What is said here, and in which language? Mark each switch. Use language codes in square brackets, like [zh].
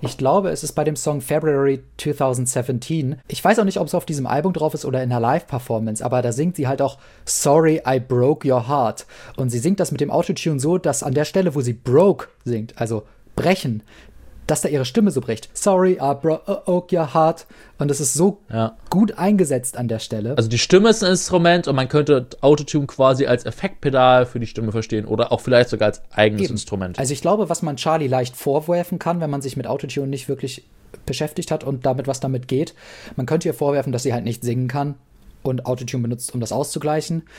[de] Ich glaube, es ist bei dem Song February 2017. Ich weiß auch nicht, ob es auf diesem Album drauf ist oder in der Live-Performance, aber da singt sie halt auch [en] Sorry, I broke your heart. [de] Und sie singt das mit dem Autotune so, dass an der Stelle, wo sie broke singt, also brechen, dass da ihre Stimme so bricht. [en] Sorry, I broke your heart. [de] Und das ist so gut eingesetzt an der Stelle. Also die Stimme ist ein Instrument und man könnte Autotune quasi als Effektpedal für die Stimme verstehen oder auch vielleicht sogar als eigenes Instrument. Also ich glaube, was man Charlie leicht vorwerfen kann, wenn man sich mit Autotune nicht wirklich beschäftigt hat und damit, was damit geht, man könnte ihr vorwerfen, dass sie halt nicht singen kann und Autotune benutzt, um das auszugleichen.